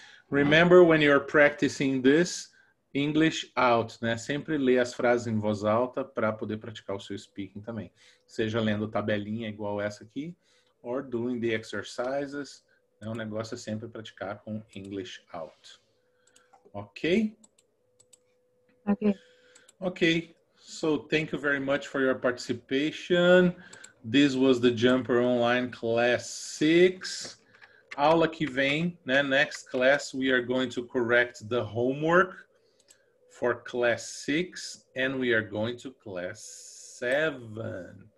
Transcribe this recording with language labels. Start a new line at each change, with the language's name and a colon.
English: Remember, when you're practicing this, English out, né?
Portuguese: Sempre lê as frases em voz alta para poder praticar o seu speaking também. Seja lendo tabelinha igual essa aqui,
English: or doing the exercises.
Portuguese: Né? O negócio é sempre praticar com English out. Ok?
English: Ok. Okay, so thank you very much for your participation. This was the Jumper Online Class 6.
Portuguese: Aula que vem,
English: né? Next class, we are going to correct the homework for Class 6, and we are going to Class 7.